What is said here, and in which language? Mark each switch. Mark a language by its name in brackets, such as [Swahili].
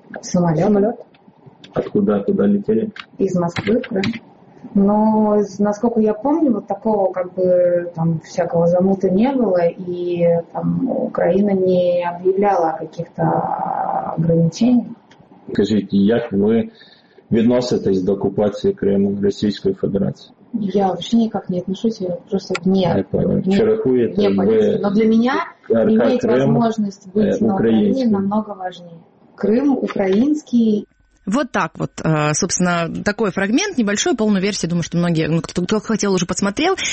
[Russian] Самолет. Самолет. Откуда, куда летели? Из Москвы, да. Но, насколько я помню, вот такого как бы там всякого замута не было, и там Украина не объявляла о каких-то ограничениях. [Ukrainian] Скажите, як ви відноситесь до окупації Криму Російської Федерації? [Russian] Я вообще никак не отношусь, я просто не... Я понял. [Ukrainian] Чи рахуєте ви... [Russian] Но для меня иметь возможность быть на Украине намного важнее. Крым украинский... Вот так вот, собственно, такой фрагмент, небольшой, полную версию, думаю, что многие, ну, кто хотел, уже посмотрел.